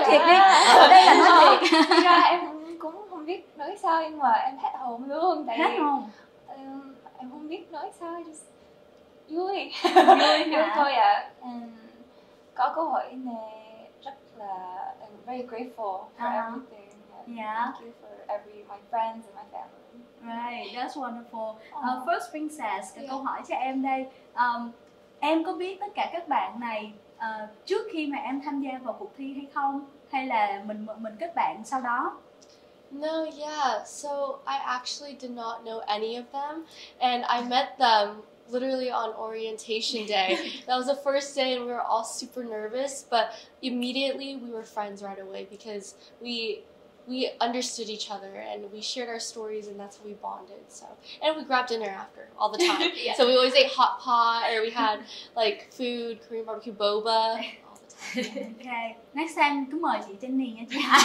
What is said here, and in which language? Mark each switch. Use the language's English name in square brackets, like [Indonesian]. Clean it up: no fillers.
[Vietnamese] Em cũng không biết nói sao nhưng mà em hết hồn luôn. Em không biết nói sao, just vui. Vui thôi ạ. Có cơ hội này rất là [English] I'm very grateful for everything. Thank you for my friends and my family. Right, that's wonderful. [Vietnamese] First princess, câu hỏi cho em đây. Em có biết tất cả các bạn này trước khi mà em tham gia vào cuộc thi hay không? Hay là mình kết bạn sau đó? [English] No, so I actually did not know any of them and I met them literally on orientation day. That was the first day and we were all super nervous, but immediately we were friends right away because we understood each other and we shared our stories and that's how we bonded. So, and we grabbed dinner after all the time. So we always ate hot pot or we had like food, Korean barbecue boba. Okay, next time [Vietnamese] cứ mời chị Jenny nha chị.